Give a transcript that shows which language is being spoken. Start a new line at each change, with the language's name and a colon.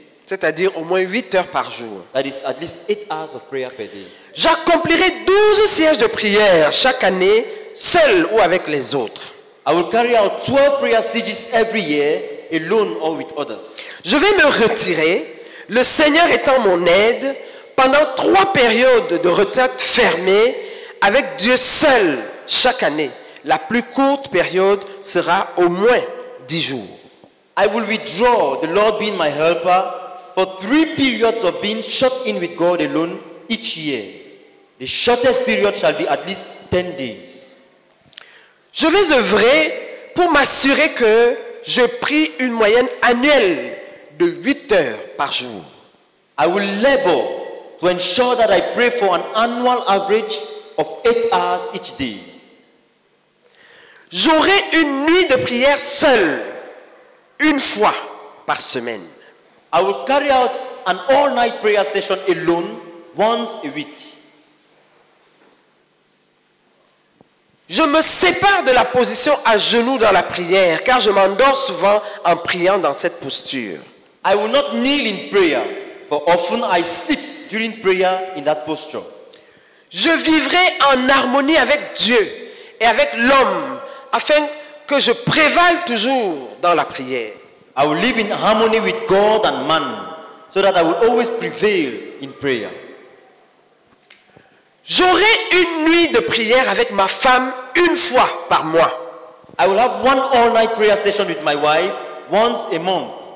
French: C'est-à-dire au moins 8 heures par jour.
English: That is at least 8 hours of prayer per day.
French: J'accomplirai 12 sièges de prière chaque année, seul ou avec les autres.
English: I will carry out 12 prayer sieges every year, alone or with others.
French: Je vais me retirer, le Seigneur étant mon aide, pendant 3 périodes de retraite fermée, avec Dieu seul chaque année. La plus courte période sera au moins 10 jours.
English: I will withdraw, the Lord being my helper, for 3 periods of being shut in with God alone each year. The shortest period shall be at least 10 days.
French: Je vais œuvrer pour m'assurer que je prie une moyenne annuelle de 8 heures par jour.
English: I will labor to ensure that I pray for an annual average of 8 hours each day.
French: J'aurai une nuit de prière seule, une fois par semaine.
English: I will carry out an all-night prayer session alone, once a week.
French: Je me sépare de la position à genoux dans la prière, car je m'endors souvent en priant dans cette posture.
English: I will not kneel in prayer, for often I sleep during prayer in that posture.
French: Je vivrai en harmonie avec Dieu et avec l'homme, afin que je prévale toujours dans la prière.
English: I will live in harmony with God and man, so that I will always prevail in prayer.
French: J'aurai une nuit de prière avec ma femme une fois par mois.
English: I will have one all-night prayer session with my wife once a month.